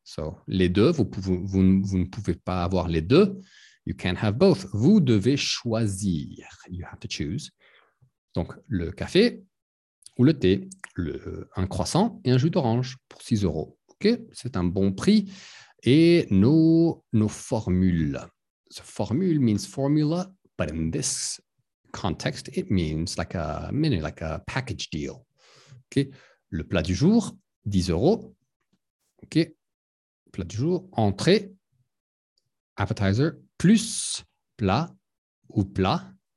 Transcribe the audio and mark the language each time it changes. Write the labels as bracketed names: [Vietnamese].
[French] So, les deux, vous ne pouvez pas avoir les deux. [English] You can't have both. [French] Vous devez choisir. [English] You have to choose. [French] Donc le café ou le thé, un croissant et un jus d'orange pour 6 €. OK, c'est un bon prix. Et nos formules. [English] So, formule means formula, but in this context, it means like a menu, like a package deal. [French] OK, le plat du jour, 10 €. OK, plat du jour, entrée, appetizer, plus plat ou plat.